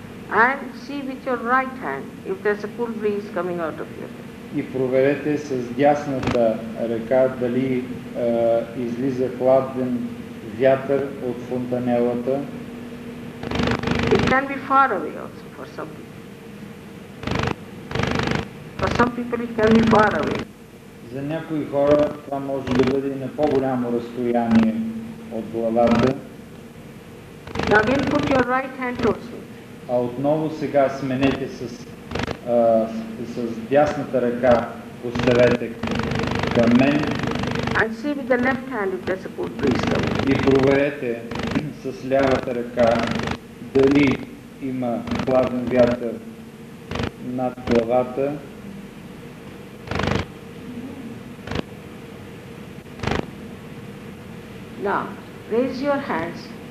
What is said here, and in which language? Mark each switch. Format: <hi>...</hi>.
<en>And see with your right hand if there's a cool breeze coming out of your head.</en> <bg>И проверете с дясната ръка дали излиза хладен вятър от фонтанелата.</bg> <en>It can be far away also for some people. For some people it can be far away.</en> <bg>За някои хора това може да бъде и на по-голямо разстояние от главата.</bg> <en>Now again put your right hand towards me.</en> <bg>А отново сега сменете с дясната ръка поставете към мен.</bg> <en>And see with the left hand if there's a cool breeze.</en> <bg>И проверете с лявата ръка дали има хладен вятър над главата.</bg> <en>Now, raise your hands.</en>